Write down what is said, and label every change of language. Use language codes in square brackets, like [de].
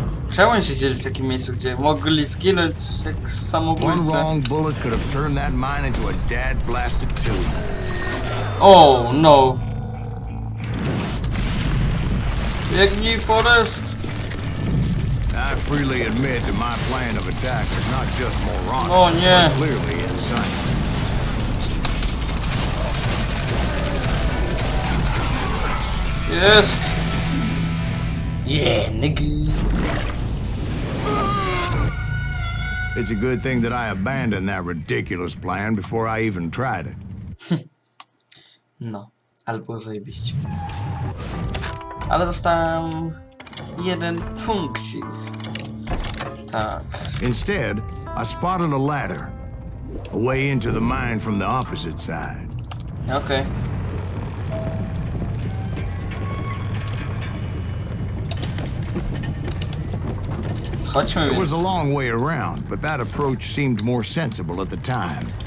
[pl] Czemu oni siedzieli w takim miejscu, gdzie mogli zginąć jak samobójcy? [en] One wrong bullet could have turned that mine into a dad blasted tomb. Oh no. [pl] Biegnij, Forrest! [en] I freely admit that my plan of attack is not just moronic. [pl] Oh, nie. [en] But clearly insane. [pl] Jest! [en] Yeah, nigga! It's a good thing that I abandoned that ridiculous plan before I even tried it. [pl] No, albo zajebiście. Ale dostałem jeden funkcik. Tak. [en] Instead, I spotted a ladder. A way into the mine from the opposite side. Okay. [pl] Schodźmy więc. [en] It was a long way around, but that approach seemed more sensible at the time.